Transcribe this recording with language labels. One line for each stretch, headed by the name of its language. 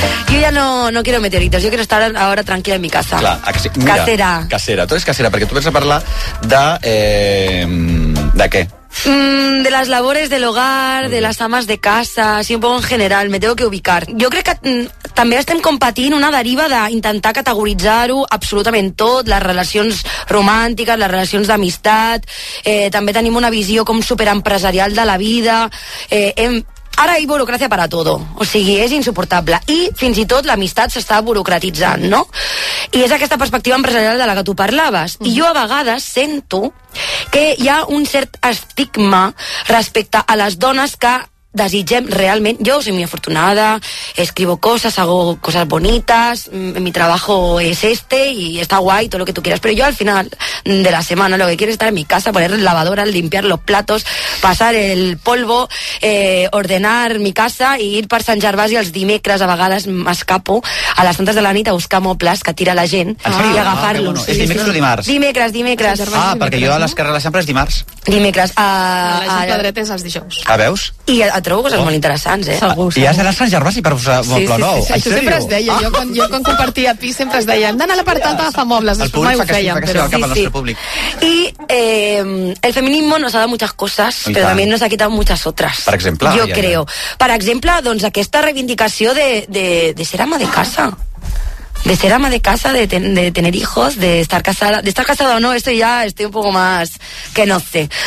Spanish: Yo ya no quiero meteoritos, yo quiero estar ahora tranquila en mi casa. Claro, sí. Mira, casera. Casera, todo es casera, porque tú vas a hablar ¿de qué? De las labores del hogar, de las amas de casa, así un poco en general, me tengo que ubicar.
Catalan: Yo creo que també estem compatint una deriva d'intentar categoritzar-ho absolutament tot, les relacions romàntiques, les relacions d'amistat, també tenim una visió com superempresarial de la vida, ara hi ha burocràcia per a tot, o sigui, és insuportable, i fins i tot l'amistat s'està burocratitzant, no? I és aquesta perspectiva empresarial de la que tu parlaves, i jo a vegades sento que hi ha un cert estigma respecte a les dones que desitgem realment.
Spanish: Yo soy muy afortunada, escribo cosas, hago cosas bonitas, mi trabajo es este y está guay, todo lo que tú quieras, pero yo al final de la semana lo que quiero es estar en mi casa, poner lavadora, limpiar los platos, pasar el polvo, ordenar mi casa y ir per Sant Gervasi els dimecres, a vegades m'escapo a les tantes de la nit a buscar mobles que tira la gent i agafar-los.
Catalan: Bueno. Sí, dimecres, sí, sí. Dimarts? Dimecres. Perquè jo a l'esquerra de la Xample és dimarts. Dimecres. A la Xample dretes els dijous. A veus? I et trobo coses molt interessants, eh? Segur. I has d'anar a Sant Gervasi per posar moble nou. Sí, sí, sí. Tu sempre es deia, jo quan compartia pis sempre es deia, hem d'anar a l'apartat a agafar mobles. El públic fa que sí, cap al nostre públic.
Spanish: I el feminisme nos ha dado muchas cosas, però també nos ha quitado muchas otras.
Catalan: Per exemple? Jo creo. Per exemple, doncs aquesta reivindicació de ser ama de casa.
Spanish: De ser ama de casa, de tener hijos, de estar casada o no, esto ya estoy un poco más que no sé.